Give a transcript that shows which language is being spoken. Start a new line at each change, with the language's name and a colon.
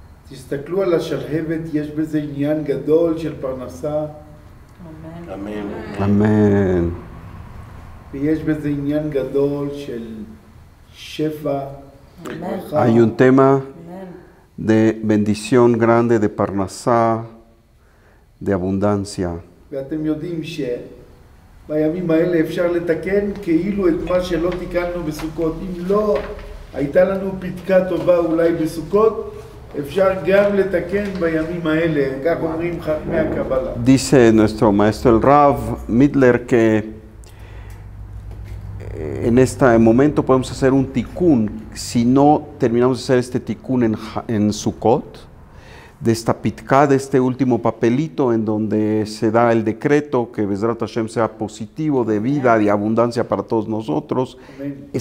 Hebrew: תסתכלו על השלהבת, יש בזה עניין גדול של פרנסה. אמן. אמן. ויש בזה עניין גדול של שפע.
Spanish: Hay un tema de bendición grande, de parnasá, de abundancia.
Hebrew: ואתם יודעים שבימים האלה אפשר לתקן כאילו את מה שלא תיקנו בסוכות. אם לא, הייתה לנו פתקה טובה אולי בסוכות, אפשר גם לתקן בימים האלה, כך אומרים חכמי הקבלה.
Spanish: Dice nuestro maestro el Rav Midler que en este momento podemos hacer un tikkun, si no terminamos de hacer este tikkun en Sukkot, de esta pitka, de este último papelito en donde se da el decreto que
Hebrew: Bezrat Hashem
Spanish: sea positivo, de vida, de abundancia para todos nosotros, amén.